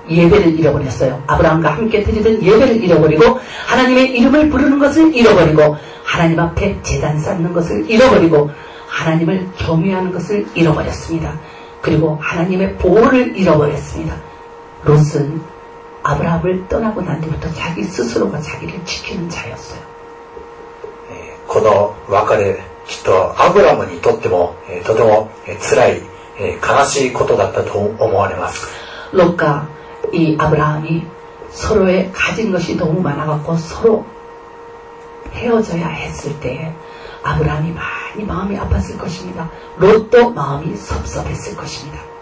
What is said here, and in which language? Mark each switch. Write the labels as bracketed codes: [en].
[ko] 예배를 잃어버렸어요. 아브라함과 함께 드리던 예배를 잃어버리고 하나님의 이름을 부르는 것을 잃어버리고 하나님 앞에 제단 쌓는 것을 잃어버리고 하나님을 경외하는 것을 잃어버렸습니다. 그리고 하나님의 보호를 잃어버렸습니다. 롯은 아브라함을 떠나고 난 뒤부터 자기 스스로가 자기를 지키는 자였어요. [ja] この別れ、きっとアブラムにとってもとても辛い、悲しいことだったと思われます。 [ko] 롯과 이 아브라함이 서로의 가진 것이 너무 많아갖고 서로 헤어져야 했을 때 아브라함이 많이 마음이 아팠을 것입니다. 롯도 마음이 섭섭했을 것입니다.